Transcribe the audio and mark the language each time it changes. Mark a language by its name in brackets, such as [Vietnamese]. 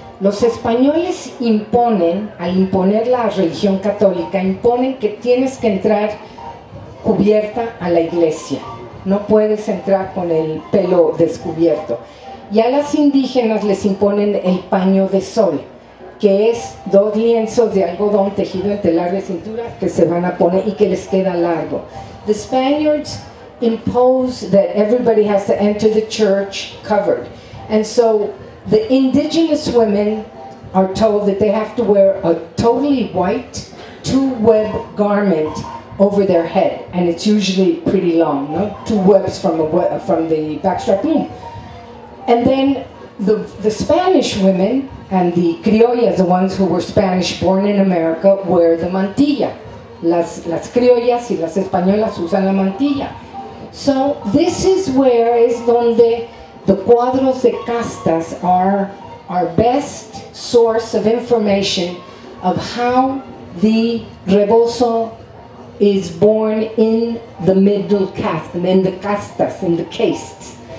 [Spanish] Los españoles imponen, al imponer la religión católica, imponen que tienes que entrar cubierta a la iglesia. No puedes entrar con el pelo descubierto. Y a las indígenas les imponen el paño de sol, que es dos lienzos de algodón tejido en telar de cintura que se van a poner y que les queda largo. [English] The Spaniards impose that everybody has to enter the church covered. And so the indigenous women are told that they have to wear a totally white two-web garment over their head, and it's usually pretty long, no? Two webs from the backstrap loom. And then the Spanish women and the criollas, the ones who were Spanish born in America, wear the mantilla. [Spanish] Las criollas y las españolas usan la mantilla. [English] So this is where is donde the cuadros de castas are our best source of information of how the rebozo is born in the middle caste, in the castas, in the castes.